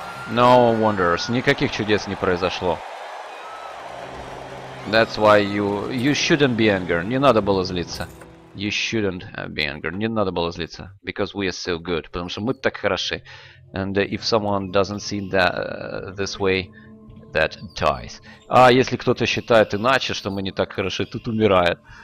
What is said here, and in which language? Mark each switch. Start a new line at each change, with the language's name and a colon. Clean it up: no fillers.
English: No wonders.
Russian: Никаких чудес не произошло.
English: That's why you shouldn't be angry.
Russian: Не надо было злиться.
English: You shouldn't be angry.
Russian: Не надо было злиться.
English: Because we are so good.
Russian: Потому что мы так хороши.
English: And if someone doesn't see that this way, that dies.
Russian: А если кто-то считает иначе, что мы не так хороши, тут умирает.